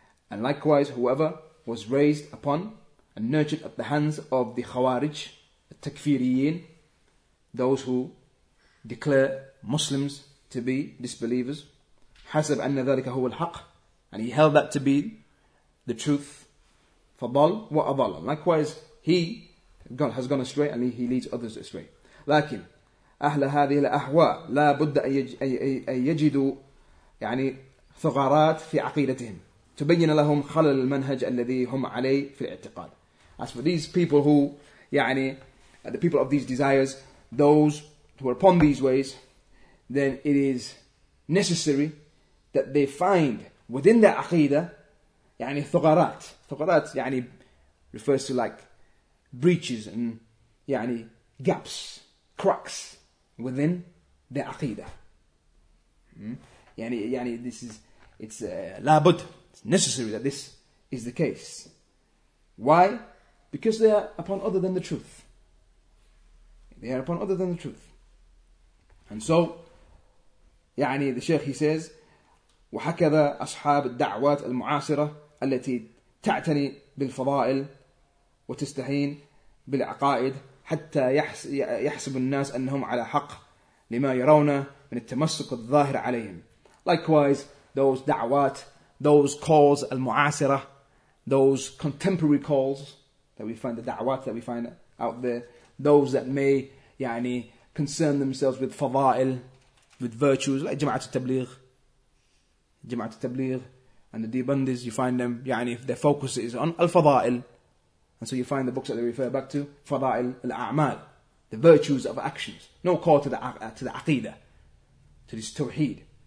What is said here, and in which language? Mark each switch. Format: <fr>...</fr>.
<en>And likewise, whoever was raised upon and nurtured at the hands of the Khawarij, the Takfiriyin, those who declare Muslims to be disbelievers,</en> <ar>حسب أن ذلك هو الحق,</ar> <en>and he held that to be the truth,</en> <ar>فضل وأضل.</ar> <en>Likewise, he has gone astray and he leads others astray.</en> <ar>لكن أهل هذه الأهواء لا بد أن يجدوا يعني ثغرات في عقيدتهم تبين لهم خلل المنهج الذي هم عليه في الاعتقاد.</ar> <en>As for these people who يعني the people of these desires, those who are upon these ways, then it is necessary that they find within their aqidah يعني ثغرات. ثغرات يعني refers to like breaches and يعني gaps, cracks within the aqidah. يعني this is, it's لابد, it's necessary that this is the case. Why? Because they are upon other than the truth. They are upon other than the truth. And so, يعني the Shaykh, he says,</en> <ar>وحكذا أصحاب الدعوات المعاصرة التي تعتني بالفضائل وتستهين بالعقائد حتى يحسب الناس أنهم على حق لما يرون من التمسك الظاهر عليهم.</ar> <en>Likewise, those da'wat, those calls al-mu'asira, those contemporary calls that we find, the da'wat that we find out there, those that may يعني, concern themselves with fada'il, with virtues, like Jama'at al-Tabligh, and the Deobandis, you find them, يعني, if their focus is on al-fada'il, and so you find the books that they refer back to, fada'il al-a'mal, the virtues of actions, no call to the aqidah, to this tawheed.</en>